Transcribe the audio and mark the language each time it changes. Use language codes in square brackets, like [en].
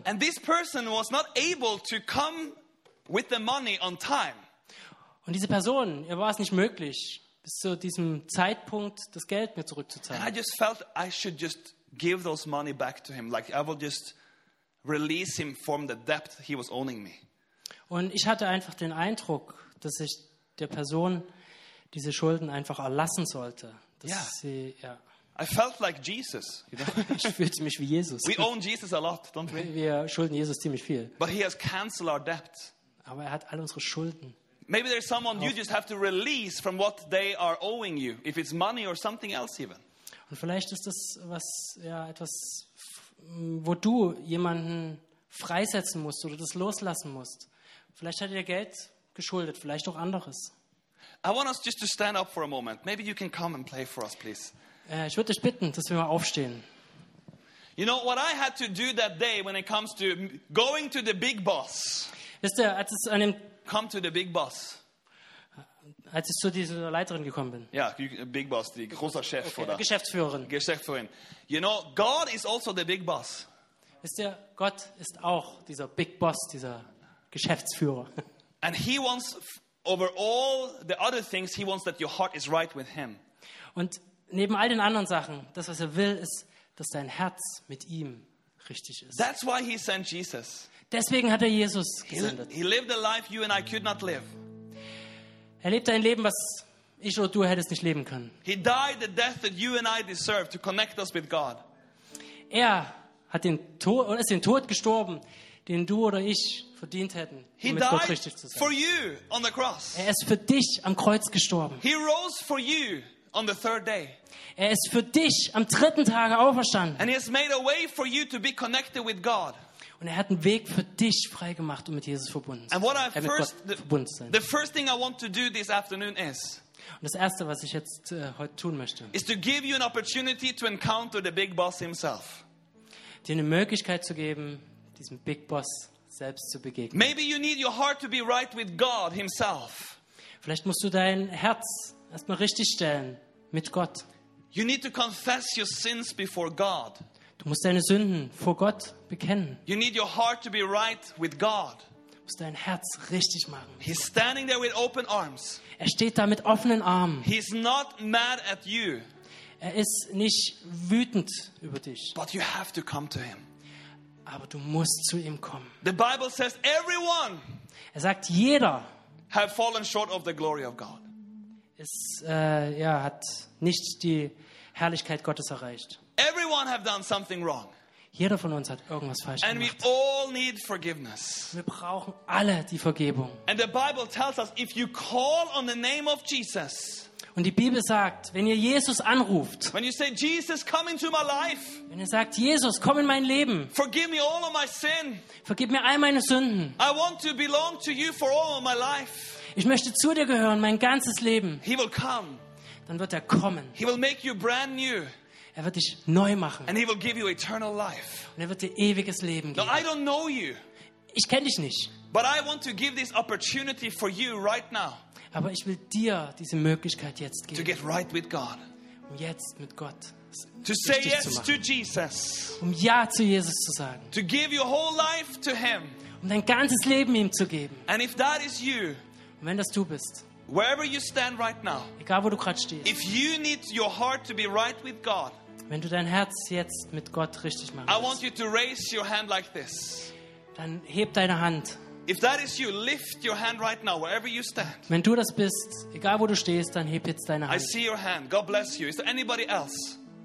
[en] And this person was not able to come with the money on time. [de] Und diese Person, ihr war es nicht möglich, bis zu diesem Zeitpunkt das Geld mir zurückzuzahlen. [en] I just felt I should just give those money back to him, like I will just release him from the debt he was owing me. [de] Und ich hatte einfach den Eindruck, dass ich der Person diese Schulden einfach erlassen sollte. [en] I felt like Jesus. [de] Ich fühlte mich wie Jesus. [en] We own Jesus a lot, don't we? [de] Wir schulden Jesus ziemlich viel. [en] But he has canceled our debt. [de] Aber er hat all unsere Schulden. [en] Maybe there's someone you just have to release from what they are owing you, if it's money or something else even. [de] Und vielleicht ist das was, ja, etwas, wo du jemanden freisetzen musst oder das loslassen musst. Vielleicht hat er Geld geschuldet, vielleicht auch anderes. [en] I want us just to stand up for a moment. Maybe you can come and play for us, please. [de] Ich würde dich bitten, dass wir mal aufstehen. [en] You know what I had to do that day when it comes to going to the big boss. [de] Wisst ihr, als es an dem [en] come to the big boss. [de] Als ich zu dieser Leiterin gekommen bin. Ja, big boss, die großer Chef, okay, oder Geschäftsführerin. Geschäftsführerin. [en] You know, God is also the big boss. [de] Wisst ihr, Gott ist auch dieser Big Boss, dieser Geschäftsführer. [en] And he wants over all the other things, he wants that your heart is right with him. [de] Und neben all den anderen Sachen, das was er will, ist, dass dein Herz mit ihm richtig ist. [en] That's why he sent Jesus. [de] Deswegen hat er Jesus gesendet. [en] He lived a life you and I could not live. [de] Er lebt ein Leben, was ich oder du hättest nicht leben können. [en] He died the death that you and I deserve to connect us with God. [de] Er hat den Tod, oder ist den Tod gestorben, den du oder ich verdient hätten, um [en] he [de] mit [en] died [de] Gott richtig zu sein. [en] For you on the cross. [de] Er ist für dich am Kreuz gestorben. [en] He rose for you on the third day. [de] Er ist für dich am dritten Tage auferstanden. [en] And he has made a way for you to be connected with God. [de] Und er hat einen Weg für dich freigemacht, um mit Jesus verbunden zu sein. [en] And what I first, the first thing I want to do this afternoon is, [de] und das erste, was ich jetzt heute tun möchte, [en] is to give you an opportunity to encounter the big boss himself. [de] Dir eine Möglichkeit zu geben, diesem Big Boss selbst zu begegnen. [en] Maybe you need your heart to be right with God himself. [de] Vielleicht musst du dein Herz erstmal richtig stellen mit Gott. [en] You need to confess your sins before God. [de] Du musst deine Sünden vor Gott bekennen. [en] You need your heart to be right with God. [de] Du musst dein Herz richtig machen. [en] He's standing there with open arms. [de] Er steht da mit offenen Armen. [en] He's not mad at you. [de] Er ist nicht wütend über dich. [en] But you have to come to him. [de] Aber du musst zu ihm kommen. [en] The Bible says everyone. [de] Er sagt jeder. [en] Have fallen short of the glory of God. [de] Ist, ja, hat nicht die Herrlichkeit Gottes erreicht. [en] Everyone have done something wrong. [de] Jeder von uns hat irgendwas falsch [en] and [de] gemacht. [en] We all need forgiveness. [de] Wir brauchen alle die Vergebung. [en] And the Bible tells us if you call on the name of Jesus. [de] Und die Bibel sagt, wenn ihr Jesus anruft, [en] when you say, Jesus, come into my life, [de] wenn ihr sagt, Jesus, komm in mein Leben, [en] forgive me all of my sin, [de] vergib mir all meine Sünden, [en] I want to belong to you for all of my life, [de] ich möchte zu dir gehören, mein ganzes Leben, [en] he will come, [de] dann wird er kommen, [en] he will make you brand new, [de] er wird dich neu machen, [en] and he will give you eternal life, [de] und er wird dir ewiges Leben geben. [en] No, I don't know you, [de] ich kenne dich nicht, [en] but I want to give this opportunity for you right now. [de] Aber ich will dir diese Möglichkeit jetzt geben. [en] To get right with God. [de] Um jetzt mit Gott [en] to say yes [de] zu machen. [en] To Jesus. [de] Um ja zu Jesus zu sagen. [en] To give your whole life to him. [de] Um dein ganzes Leben ihm zu geben. [en] And if that is you. [de] Und wenn das du bist. [en] Wherever you stand right now. [de] Egal wo du gerade stehst. [en] If you need your heart to be right with God. [de] Wenn du dein Herz jetzt mit Gott richtig machen willst. [en] I want you to raise your hand like this. [de] Dann heb deine Hand. [en] If that is you, lift your hand right now, wherever you stand. [de] Wenn du das bist, egal wo du stehst, dann heb jetzt deine Hand. [en] I see your hand. God bless you. Is there anybody else?